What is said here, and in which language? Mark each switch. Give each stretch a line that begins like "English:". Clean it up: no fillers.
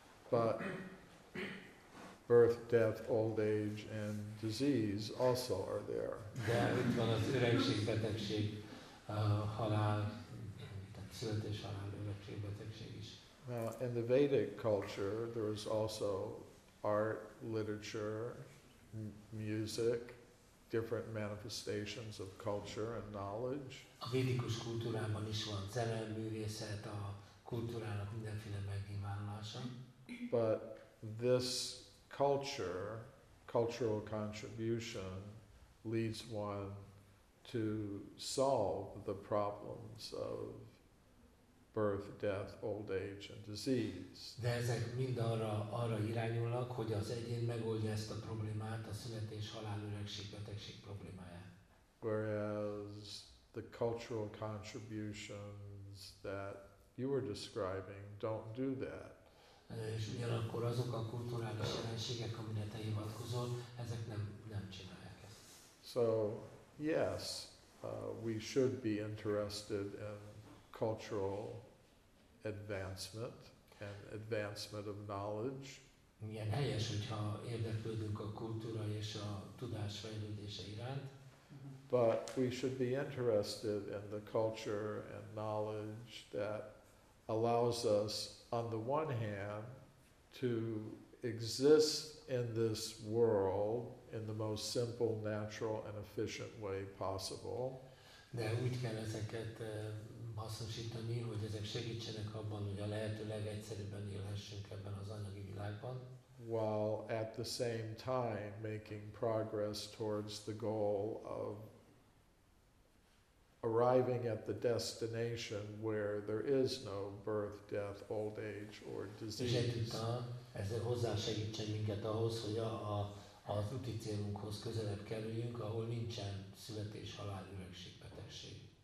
English: But birth, death, old age, and disease also are there.
Hungarian: De itt van az öregség, betegség, halál, tehát születés, halál, öregség, betegség is.
English: Now, in the Vedic culture, there is also art, literature, music, different manifestations of culture and knowledge.
Hungarian: A védikus kultúrában is van zene, művészet, a kultúrának mindenféle megnyilvánulása.
English: But this culture, cultural contribution, leads one to solve the problems of birth, death, old age, and disease.
Hungarian: De ezek mind arra irányulnak, hogy az egyén megoldja ezt a problémát, a születés, halál, öregség, betegség problémáját.
English: Whereas the cultural contributions that you were describing don't do that.
Hungarian: És ugyanakkor azok a kulturális jelenségek, amire te hivatkozol, ezek nem csinálják ezt.
English: So, yes, we should be interested in cultural advancement and advancement of knowledge.
Hungarian: Milyen helyes, hogyha érdeklődünk a kultúra és a tudás fejlődése iránt.
English: But we should be interested in the culture and knowledge that allows us, on the one hand, to exist in this world in the most simple, natural, and efficient way possible.
Hungarian: De úgy kell ezeket hasznosítani, hogy ezek segítsenek abban, hogy a lehető legegyszerűbben élhessünk ebben az anyagi világban.
English: While at the same time making progress towards the goal of arriving at the destination where there is no birth, death, old age or disease.
Hungarian: Ez hozzásegítsen minket ahhoz, hogy az úti célunkhoz közelebb kerüljünk, ahol nincsen születés, halál, öregség, betegség.